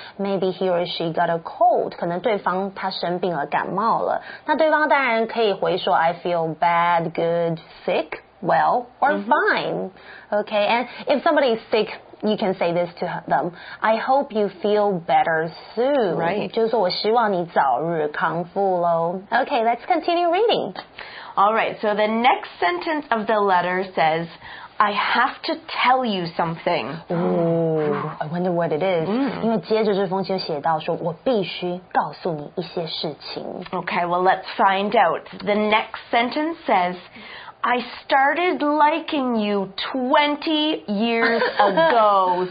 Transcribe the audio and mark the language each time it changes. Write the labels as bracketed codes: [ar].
[en] Maybe he or she got a cold， [zh] 可能对方他生病了，感冒了。那对方当然可以回说 [en] I feel bad, good, sick, well, or fine. Okay, and if somebody is sick, you can say this to them. I hope you feel better soon. Right. [zh] 就是我希望你早日康复咯。 [en] Okay, let's continue reading. All right, so the next sentence of the letter says, I have to tell you something. Ooh, I wonder what it is. [zh] 因为接着这封信写到说我必须告诉你一些事情。 [en] Okay, well, let's find out. The next sentence says, I started liking you 20 years ago.